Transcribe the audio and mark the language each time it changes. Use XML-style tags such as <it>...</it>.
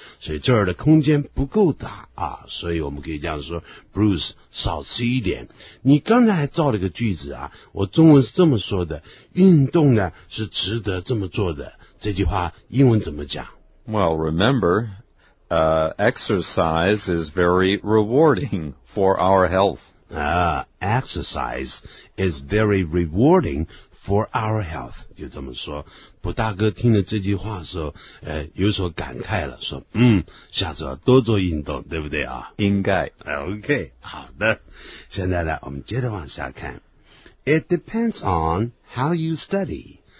<zh>所以这儿的空间不够大啊。所以我们可以这样说 Bruce, 少吃一点。你刚才还造了一个句子啊，我中文是这么说的，运动呢是值得这么做的。这句话英文怎么讲？</zh> <en>Well, rememberexercise is very rewarding for our health. Exercise is very rewarding for our health.</en> <zh>就这么说，布大哥听了这句话的时候，有所感慨了，说，下次要多做运动，对不对啊？应该。 OK, 好的。现在呢，我们接着往下看。</zh> <en>It depends on how you study.</en>